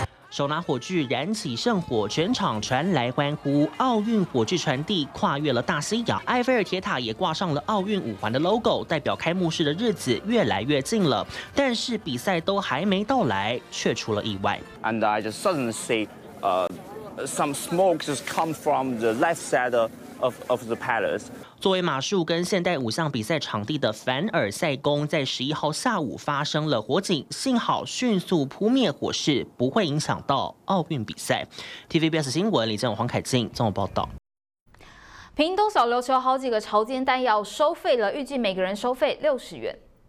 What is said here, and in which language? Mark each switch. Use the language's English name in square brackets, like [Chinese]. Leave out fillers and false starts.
[Chinese] 手拿火炬燃起圣火，全场传来欢呼。奥运火炬传递跨越了大西洋，埃菲尔铁塔也挂上了奥运五环的 logo， 代表开幕式的日子越来越近了。但是比赛都还没到来，却出了意外。 [English] And I just suddenly see, some smoke just come from the left side of the palace. [Chinese] 作为马术跟现代五项比赛场地的凡尔赛宫，在11号下午发生了火警，幸好迅速扑灭火势，不会影响到奥运比赛。 TVBS 新闻李正勇、黄凯静综合报道。屏东小琉球好几个潮间弹药收费了，预计每个人收费60元。